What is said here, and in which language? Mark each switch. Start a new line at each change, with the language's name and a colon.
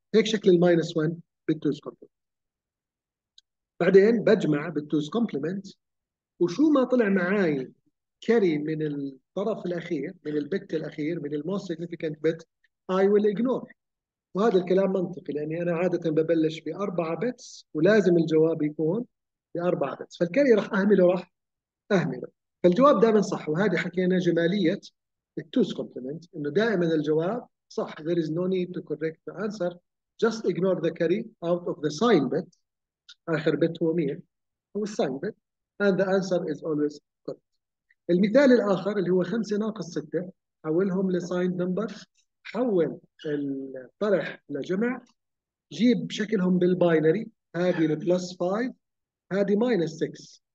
Arabic: هيك شكل الماينس 1 بالتوز كومبلمنت. بعدين بجمع بالتوز كومبلمنت، وشو ما طلع معاي كاري من الطرف الاخير من البت الاخير من الموست سيجنفيكانت بت
English: I will ignore.
Arabic: وهذا الكلام منطقي لاني انا عاده ببلش باربعه بتس ولازم الجواب يكون باربعه بتس، فالكاري راح اهمله راح اهمله. فالجواب دائما صح، وهذه حكينا جماليه التوز كومبلمنت انه دائما الجواب صح.
English: There is no need to correct the answer. Just ignore the carry out of the sign bit.
Arabic: اخر بت هو 100 هو السين بت
English: and the answer is always correct.
Arabic: المثال الاخر اللي هو 5 ناقص 6 حولهم لساين نمبر، حول الطرح لجمع، جيب شكلهم بالباينري، هذه البلس 5 هذه ماينس 6.